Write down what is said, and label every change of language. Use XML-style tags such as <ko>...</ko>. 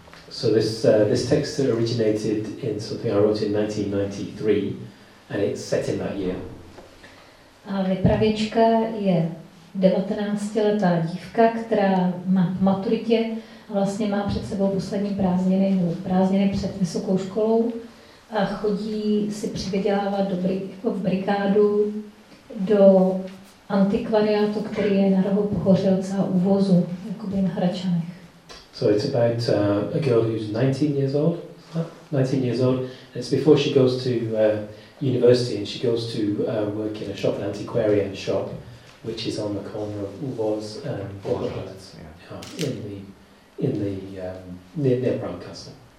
<en>So this text originated in something I wrote in 1993, and it's set in that year.</en> <cs>A vypravěčka je 19-letá dívka, která má maturitě, vlastně má před sebou poslední prázdniny, nebo prázdniny před vysokou školou, a chodí si přivydělávat v brigádu do antikvariátu, který je na rohu Pohořelce a Uvozu, jakoby na Hradčanech.</cs> <en>So it's about a girl who's 19 years old. It's before she goes to university, and she goes to work in a shop, an antiquarian shop, which is on the corner of Uvoz and Bohorovac, near Prague Castle.</en>